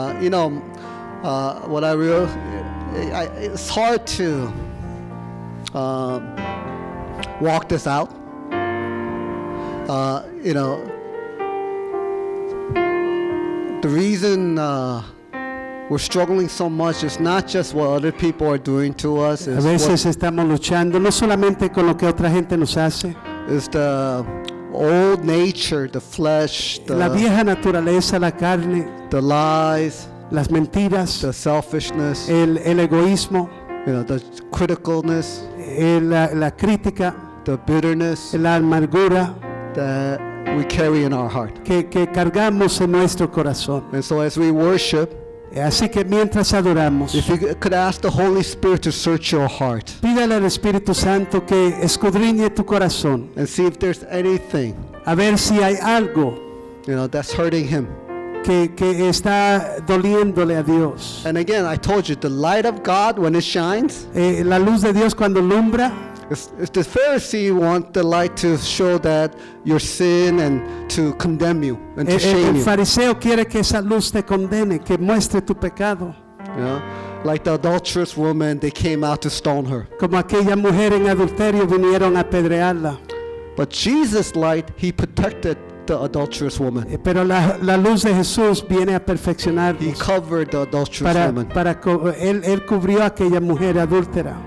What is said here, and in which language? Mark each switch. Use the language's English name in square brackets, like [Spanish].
[English] You know, what I real, I, it's hard to walk this out. You know, the reason we're struggling so much is not just what other people are doing to us. [Spanish] A veces estamos luchando no solamente con lo que otra gente nos hace. [English] It's the old nature, the flesh, the, [Spanish] la vieja naturaleza, la carne, [English] the lies, [Spanish] las mentiras, [English] the selfishness, [Spanish] el egoísmo, [English] you know, the criticalness, [Spanish] la crítica, [English] the bitterness, [Spanish] la amargura, [English] that we carry in our heart, [Spanish] que cargamos en nuestro corazón. [English] And so as we worship, [Spanish] así que mientras adoramos, [English] if you could ask the Holy Spirit to search your heart, [Spanish] pídale al Espíritu Santo que escudriñe tu corazón, [English] and see if there's anything, [Spanish] a ver si hay algo, [English] you know, that's hurting him, [Spanish] que está doliéndole a Dios. [English] And again, I told you, the light of God when it shines, [Spanish] la luz de Dios cuando lumbra, [English] if the Pharisee want the light to show that your sin and to condemn you and to shame you. [Spanish] El fariseo quiere que esa luz te condene, que muestre tu pecado. [English] Yeah. Like the adulterous woman, they came out to stone her. [Spanish] Como aquella mujer en adulterio vinieron a apedrearla. [English] But Jesus' light, he protected the adulterous woman. [Spanish] Pero la luz de Jesús viene a perfeccionarnos. [English] He covered the adulterous woman. [Spanish] Él cubrió aquella mujer adúltera.